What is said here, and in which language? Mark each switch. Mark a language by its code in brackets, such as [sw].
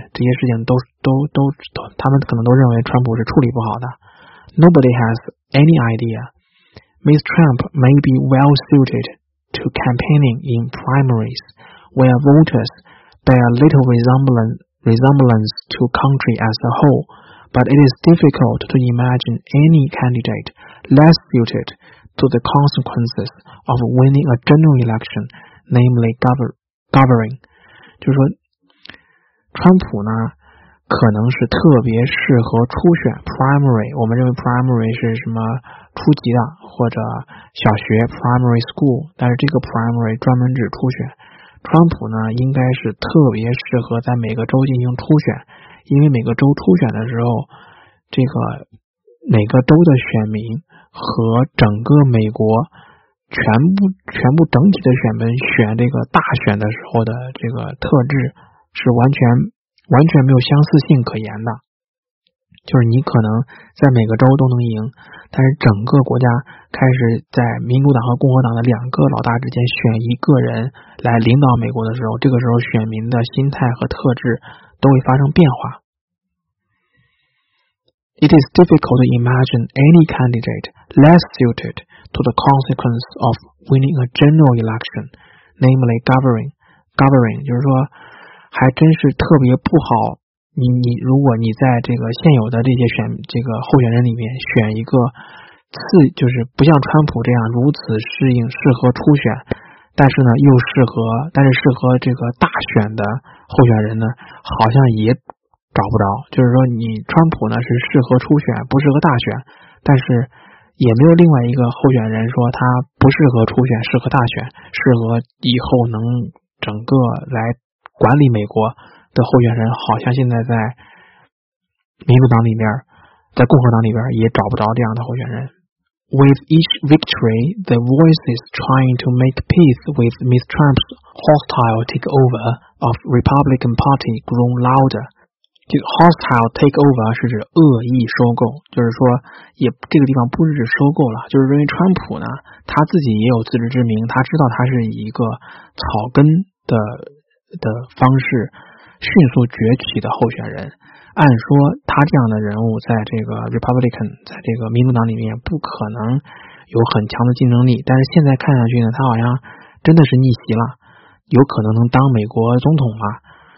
[zh] 这些事情都他们可能都认为川普是处理不好的。 [en] Nobody has any idea. Ms. Trump may be well suited to campaigning in primaries where voters bear little resemblance to country as a whole, but it is difficult to imagine any candidate less suited to the consequences of winning a general election. Namely, governing， [zh] 就是说，川普呢，可能是特别适合初选 primary。我们认为 primary 是什么初级的或者小学 primary school， 但是这个 primary 专门指初选。川普呢，应该是特别适合在每个州进行初选，因为每个州初选的时候，这个每个州的选民和整个美国。全部整体的选民选这个大选的时候的这个特质是完全没有相似性可言的，就是你可能在每个州都能赢，但是整个国家开始在民主党和共和党的两个老大之间选一个人来领导美国的时候，这个时候选民的心态和特质都会发生变化。 [en] It is difficult to imagine any candidate less suited to the consequence of winning a general election， namely governing。 [zh] Governing 就是说，还真是特别不好。你如果你在这个现有的这些选这个候选人里面选一个次，就是不像川普这样如此适合初选，但是呢又适合这个大选的候选人呢，好像也找不着。就是说，你川普呢是适合初选，不适合大选，但是也没有另外一个候选人说他不适合初选，适合大选，适合以后能整个来管理美国的候选人，好像现在在民主党里面，在共和党里边也找不着这样的候选人。 [en] With each victory, the voices trying to make peace with Ms. Trump's hostile takeover of Republican Party grew louder. [zh] 就 hostile takeover 是指恶意收购，就是说也这个地方不是指收购了，就是因为川普呢他自己也有自知之明，他知道他是一个草根的方式迅速崛起的候选人，按说他这样的人物在这个 Republican 在这个民主党里面不可能有很强的竞争力，但是现在看上去呢他好像真的是逆袭了，有可能能当美国总统了。